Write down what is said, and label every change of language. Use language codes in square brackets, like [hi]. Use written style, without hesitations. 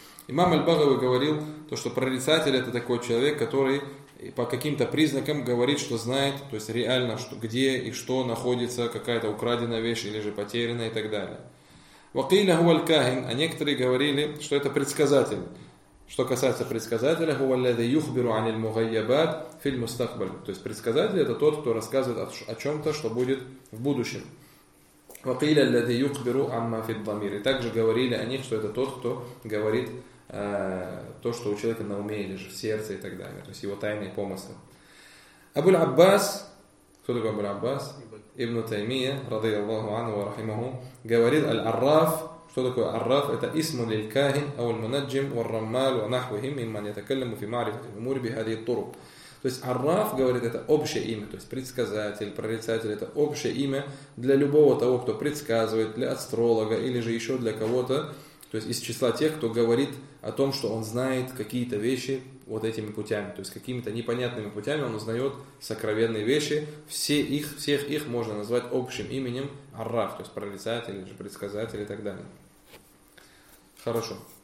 [ru] Имам Аль-Багави говорил, то, что прорицатель – это такой человек, который по каким-то признакам говорит, что знает, то есть реально, что, где и что находится, какая-то украденная вещь или же потерянная и так далее. «Вакиля хуваль кахин», а некоторые говорили, что это предсказатель. Что касается предсказателя, «хуваль ляды юхбиру аниль мугайябад филь мустахбаль». То есть предсказатель – это тот, кто рассказывает о чем-то, что будет в будущем. [ar] وقيل الذي يخبر عما في الضمير. [ru] И также говорили о них, что это тот, кто говорит то, что у человека на уме или же в сердце и так далее, то есть его тайные помыслы. Абуль Аббас, кто такой Абуль Аббас? Ибн Таймия, [ar] رضي الله عنه ورحمه, [ru] говорит аль-арраф. Что такое арраф? [ar] Это اسم للكاهن أو المنجم والرمال ونحوهم ممن يتكلم في معرفة الأمور بهذه الطرق. [ru] То есть арраф, говорит, это общее имя, то есть предсказатель, прорицатель, это общее имя для любого того, кто предсказывает, для астролога или же еще для кого-то, то есть из числа тех, кто говорит о том, что он знает какие-то вещи вот этими путями, то есть какими-то непонятными путями он узнает сокровенные вещи, всех их можно назвать общим именем арраф, то есть прорицатель или же предсказатель и так далее. Хорошо.